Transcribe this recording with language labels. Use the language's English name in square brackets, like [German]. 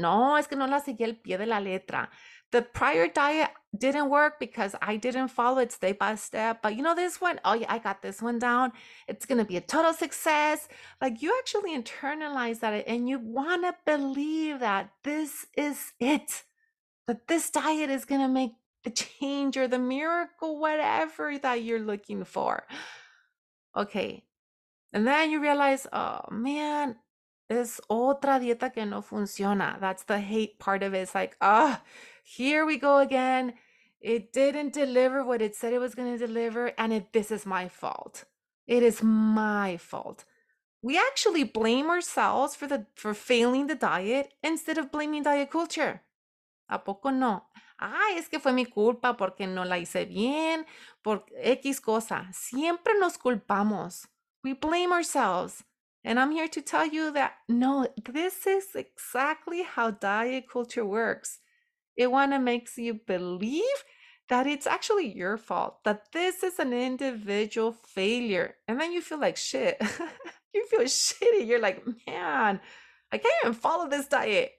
[Spanish] No, es que no la seguí al pie de la letra. [English] The prior diet didn't work because I didn't follow it step by step. But you know this one? Oh yeah, I got this one down. It's gonna be a total success. Like you actually internalize that and you wanna believe that this is it. That this diet is gonna make the change or the miracle, whatever that you're looking for. Okay. And then you realize, oh man, [Spanish] es otra dieta que no funciona. [English] That's the hate part of it. It's like, oh, here we go again. It didn't deliver what it said it was gonna deliver. And this is my fault. It is my fault. We actually blame ourselves for for failing the diet instead of blaming diet culture. [Spanish] ¿A poco no? Ah, es que fue mi culpa porque no la hice bien, por X cosa. Siempre nos culpamos. [English] We blame ourselves. And I'm here to tell you that no, this is exactly how diet culture works. It want to makes you believe that it's actually your fault, that this is an individual failure. And then you feel like shit. You feel shitty. You're like, man, I can't even follow this diet.